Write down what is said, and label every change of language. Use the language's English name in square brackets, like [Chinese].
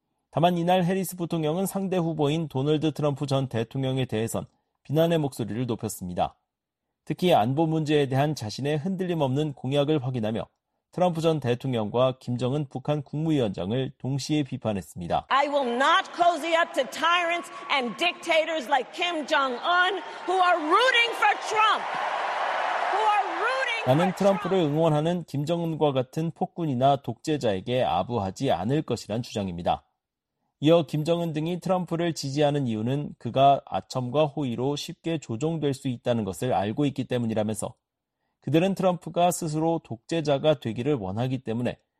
[Korean] 다만 이날 해리스 부통령은 상대 후보인 도널드 트럼프 전 대통령에 대해선 비난의 목소리를 높였습니다. 특히 안보 문제에 대한 자신의 흔들림 없는 공약을 확인하며 트럼프 전 대통령과 김정은 북한 국무위원장을 동시에 비판했습니다. [English] I will not cozy up to tyrants and dictators like Kim Jong-un who are rooting for Trump. [Korean] 나는 트럼프를 응원하는 김정은과 같은 폭군이나 독재자에게 아부하지 않을 것이란 주장입니다. 이어 김정은 등이 트럼프를 지지하는 이유는 그가 아첨과 호의로 쉽게 조종될 수 있다는 것을 알고 있기 때문이라면서 그들은 트럼프가 스스로 독재자가 되기를 원하기 때문에